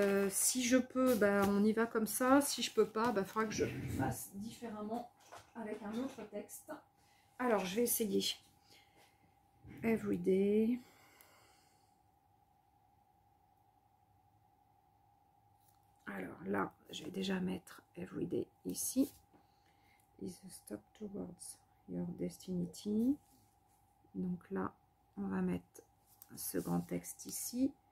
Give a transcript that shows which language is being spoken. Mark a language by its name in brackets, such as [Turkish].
[French] Si je peux, bah, on y va comme ça. Si je peux pas, bah, faudra que je fasse différemment avec un autre texte. Alors, je vais essayer. Everyday. Alors là, je vais déjà mettre Everyday ici. [English] Is a step towards your destiny. [French] Donc là, on va mettre ce grand texte ici.